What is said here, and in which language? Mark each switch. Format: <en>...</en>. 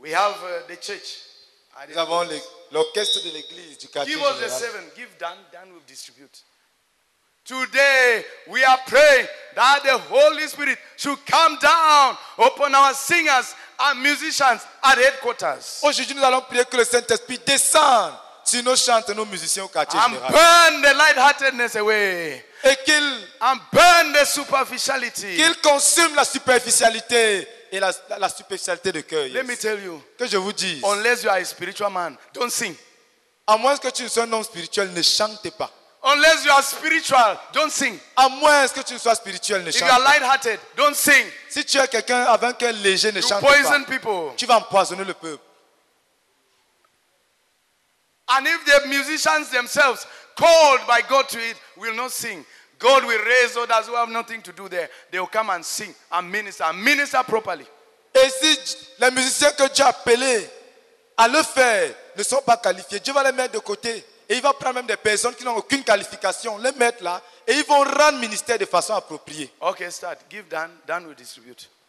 <en>We have the church.</en> <fr>Nous avons l'orchestre de l'église du quartier.</fr> <en>Give us the 7. Give Dan. Dan will distribute. Today, we are praying that the Holy Spirit should come down upon our singers and musicians at headquarters.</en> <fr>Aujourd'hui, nous allons prier que le Saint-Esprit descende sur nos chants, nos musiciens au quartier</fr> <en>général. And burn the lightheartedness away.</en> <fr>Et qu'il</fr> <en>and burn the superficiality.</en> <fr>Qu'il consume la superficialité et la superficialité de cœur.</fr> <en>Let me tell you.</en> <fr>Que je vous dise.</fr> <en>Unless you are a spiritual man, don't sing.</en> <fr>À moins que tu ne sois un homme spirituel, ne chante pas.</fr> <en>Unless you are spiritual, don't sing.</en> <fr>À moins que tu ne sois spirituel, ne chante pas.</fr> <en>If you are light-hearted, don't sing.</en> <fr>Si tu es quelqu'un avec un cœur léger, ne chante pas.</fr> <en>You poison people.</en> <fr>Tu vas empoisonner le peuple.</fr> <en>And if the musicians themselves, called by God to it, will not sing, God will raise others who have nothing to do there. They will come and sing and minister. And minister properly.</en> <fr>Et si les musiciens que Dieu a appelés à le faire ne sont pas qualifiés, Dieu va les mettre de côté. Et il va prendre même des personnes qui n'ont aucune qualification, les mettre là, et ils vont rendre ministère de façon appropriée.</fr> <en>Ok, start. Give Dan. Dan will distribute.</en>